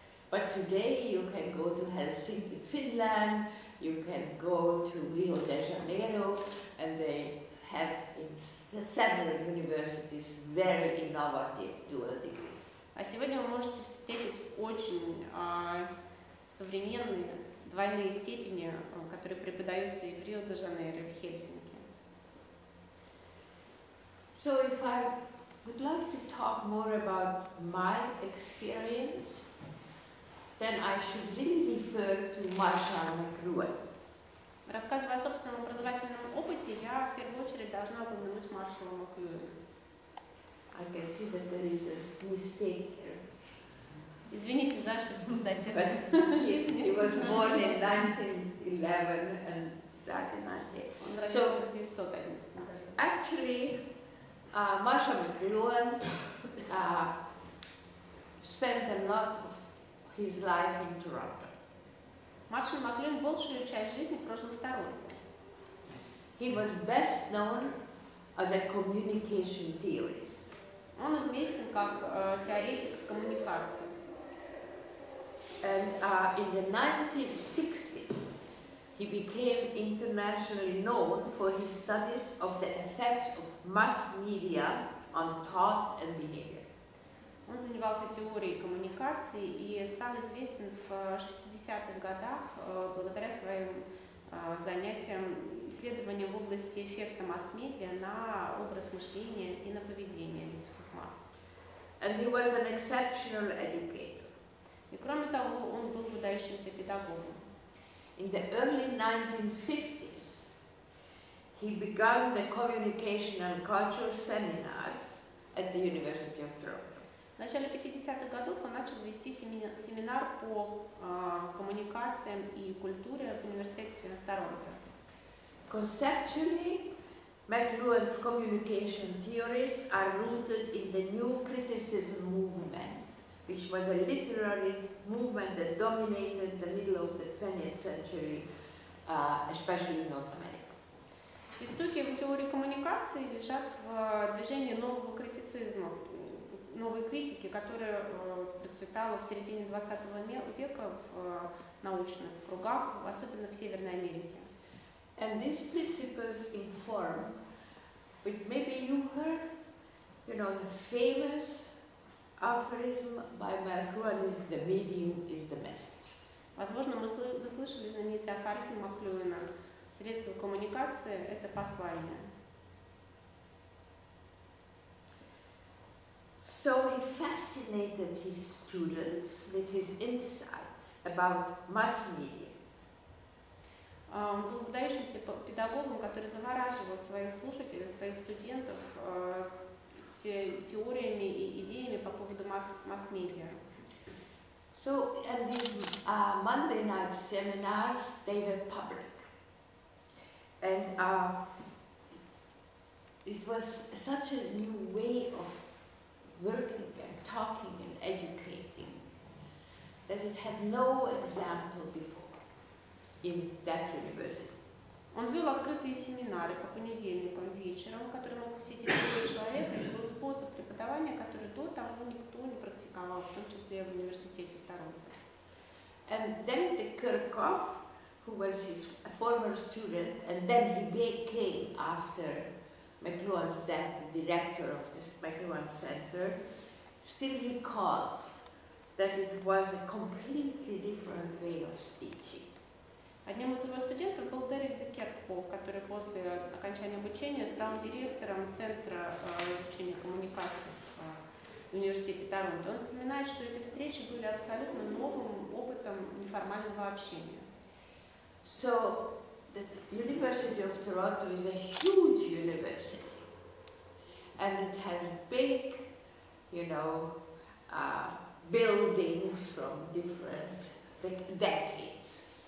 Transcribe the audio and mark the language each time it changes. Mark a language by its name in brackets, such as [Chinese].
[English] But today you can go to Helsinki, Finland, you can go to Rio de Janeiro, and they have in several universities very innovative dual degrees. [Russian] А сегодня вы можете встретить очень современные двойные степени, которые преподаются и в Рио де Жанейро, и в Хельсинки. [English] So if I would like to talk more about my experience, then I should really refer to Marshall McLuhan. [Russian] Рассказывая о собственном образовательном опыте, я в первую очередь должна упомянуть Маршала Маклюэна. [English] I can see that there is a mistake here. [Russian] Извините за ошибку, да, жизни. [English] He was born in 1911 and died in 1911. So, actually, Marshall McLuhan spent a lot of his life in Toronto. [Russian] Marshall McLuhan большую часть жизни прожил в Торонто. [English] He was best known as a communication theorist. [Russian] Он известен как теоретик коммуникации. [English] And in the 1960s, he became internationally known for his studies of the effects of mass media on thought and behavior. [Russian] Он занимался теорией коммуникации и стал известен в 60-х годах благодаря своим занятиям, исследованиям в области эффекта масс-медиа на образ мышления и на поведение людских масс. [English] And he was an exceptional educator. [Russian] И кроме того, он был выдающимся педагогом. [English] In the early 1950s, he began the communication and cultural seminars at the University of Toronto. [Russian] В начале 50-х годов он начал вести семинар по коммуникациям и культуре в университете Торонто. [English] Conceptually, McLuhan's communication theories are rooted in the new criticism movement, which was a literary movement that dominated the middle of the 20th century, especially in North America. [Russian] Истоки в теории коммуникации лежат в движении нового критицизма, новой критики, которая процветала в середине 20 века в научных кругах, особенно в Северной Америке. [English] And these principles inform, but maybe you heard, you know, the famous aphorism by McLuhan is the medium is the message. [Russian] Возможно, вы слышали знаменитый афоризм Маклюэна. Средство коммуникации – это послание. [English] So he fascinated his students with his insights about mass media. [Russian] Он был выдающимся педагогом, который завораживал своих слушателей, своих студентов теориями и идеями по поводу масс-медиа. [English] So, and these Monday night seminars, they were public. And it was such a new way of working and talking and educating that it had no example before in that university. [Russian] Он вел открытые семинары по понедельникам вечером, которые мог посетить любой человек. Это был способ преподавания, который до того никто не практиковал, в том числе и в университете Торонто. [English] And then the Kirchhoff, who was his former student, and then he became after McLuhan's death the director of this McLuhan Center, still recalls that it was a completely different way of teaching. [Russian] Одним из его студентов был Дерек Декерхофф, который после окончания обучения стал директором Центра обучения коммуникаций в Университете Торонто. Он вспоминает, что эти встречи были абсолютно новым опытом неформального общения. [English] So, the University of Toronto is a huge university. And it has big, you know, buildings from different decades.